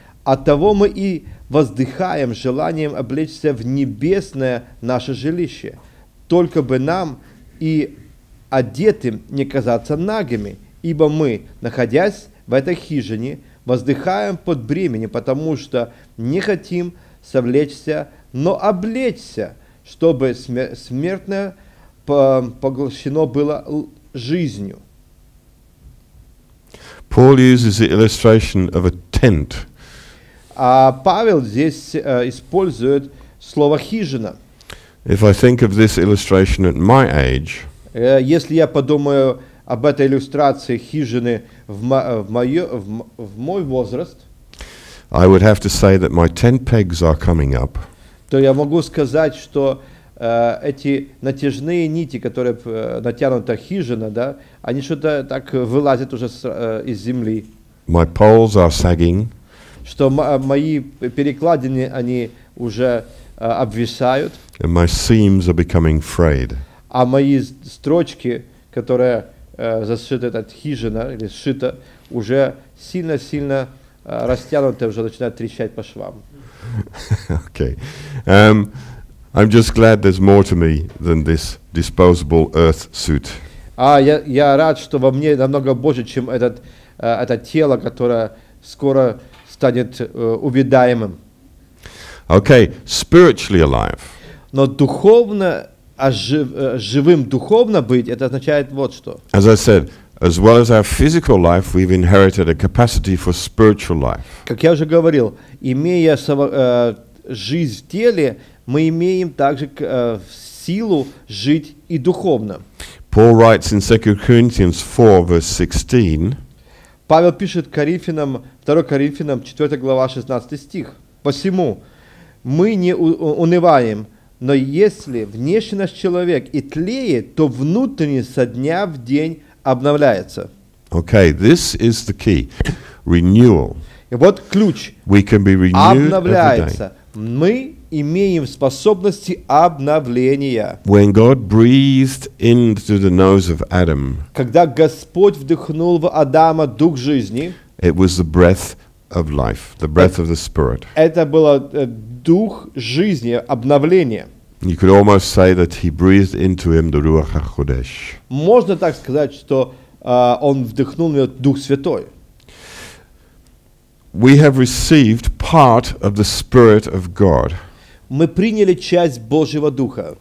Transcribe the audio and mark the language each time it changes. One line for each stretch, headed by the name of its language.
Russian: Оттого мы и воздыхаем желанием облечься в небесное наше жилище, только бы нам и одетым не казаться нагими, ибо мы, находясь в этой хижине, воздыхаем под бременем, потому что не хотим совлечься, но облечься, чтобы смертное поглощено было жизнью.
English: Paul uses the illustration of a tent.
Russian: Павел здесь использует слово хижина.
English: If I think of this illustration at my age,
Russian: если я подумаю об этой иллюстрации хижины в мой возраст,
English: I would have to say that my tent pegs are coming up.
Russian: То я могу сказать, что эти натяжные нити, которые натянута хижина, да, они что-то так вылазят уже из земли.
English: My poles are sagging.
Russian: Что мои перекладины, они уже обвисают.
English: And my seams are becoming frayed.
Russian: А мои строчки, которые зашиты от хижины или сшиты, уже сильно-сильно растянуты, уже начинают трещать по швам.
English: Okay. I'm just glad there's more to me than this disposable earth suit.
Russian: Я рад, что во мне намного больше, чем это тело, которое скоро станет увядаемым.
English: Okay, spiritually alive.
Russian: Но духовно живым духовно быть, это означает вот что.
English: As I said, as well as our physical life, we've inherited a capacity for spiritual life.
Russian: Как я уже говорил, имея жизнь в теле, мы имеем также силу жить и духовно.
English: Paul writes in 2 Corinthians 4, verse 16.
Russian: Павел пишет Коринфянам, 2 Коринфянам, 4 глава, 16 стих. Посему мы не унываем, но если внешний наш человек и тлеет, то внутренний со дня в день обновляется.
English: Okay, this is the key. Renewal.
Russian: И вот ключ.
English: We can be renewed
Russian: обновляется. Мы имеем способности обновления.
English: When God breathed into the nose of Adam,
Russian: когда Господь вдохнул в Адама дух жизни,
English: it was the breath of life, the breath of the Spirit.
Russian: Это был дух жизни, обновление.
English: You could almost say that he breathed into him the Ruach HaKodesh.
Russian: Можно так сказать, что он вдохнул в него дух святой.
English: We have received part of the Spirit of God.
Russian: Мы приняли часть Божьего Духа.